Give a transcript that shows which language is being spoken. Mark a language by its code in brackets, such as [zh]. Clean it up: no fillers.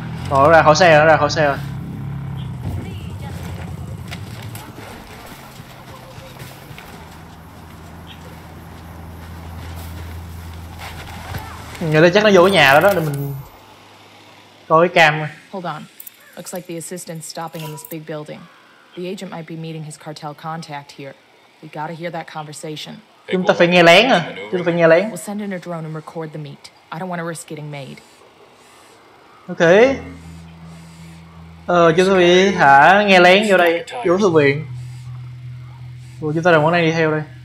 [vi] Rồi nó ra khỏi xe rồi, nó ra khỏi xe rồi. Người ta chắc nó vô cái nhà đó đó, để mình coi cái cam. [en] Hold on. Looks like the assistant's stopping in this big building. The agent might be meeting his cartel contact here. We gotta hear that conversation. [vi] Chúng ta phải nghe lén à? Chúng ta phải nghe lén. [en] We'll send in a drone and record the meet. I don't want to risk getting made. Ok. [vi] Chúng ta phải thả nghe lén vô đây, vô thư viện. Ủa, chúng ta đừng có đang đi theo đây.